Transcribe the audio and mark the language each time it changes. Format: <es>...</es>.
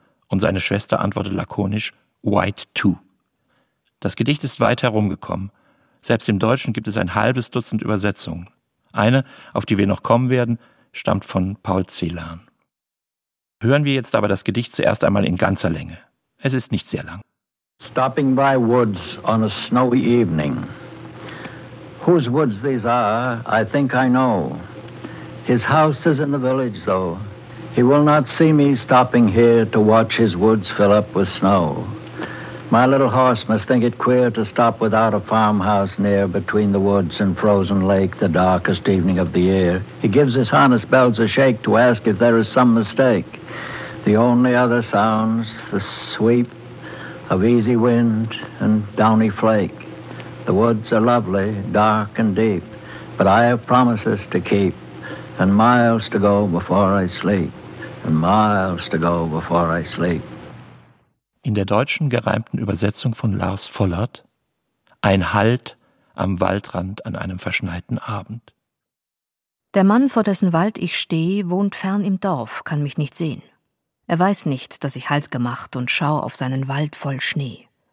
<de>Und seine Schwester antwortet lakonisch,</de> <en>white too.</en> <de>Das Gedicht ist weit herumgekommen. Selbst im Deutschen gibt es ein halbes Dutzend Übersetzungen. Eine, auf die wir noch kommen werden, stammt von Paul Celan. Hören wir jetzt aber das Gedicht zuerst einmal in ganzer Länge. Es ist nicht sehr lang.</de> <en>Stopping by woods on a snowy evening. Whose woods these are, I think I know. His house is in the village, though. He will not see me stopping here to watch his woods fill up with snow. My little horse must think it queer to stop without a farmhouse near between the woods and frozen lake the darkest evening of the year. He gives his harness bells a shake to ask if there is some mistake. The only other sounds, the sweep of easy wind and downy flake. The woods are lovely, dark and deep, but I have promises to keep and miles to go before I sleep. And miles to go before I sleep.</en> <de>In der deutschen gereimten Übersetzung von Lars Vollert: Ein Halt am Waldrand an einem verschneiten Abend. Der Mann, vor dessen Wald ich stehe, wohnt fern im Dorf, kann mich nicht sehen. Er weiß nicht, dass ich Halt gemacht und schau auf seinen Wald voll Schnee.</de>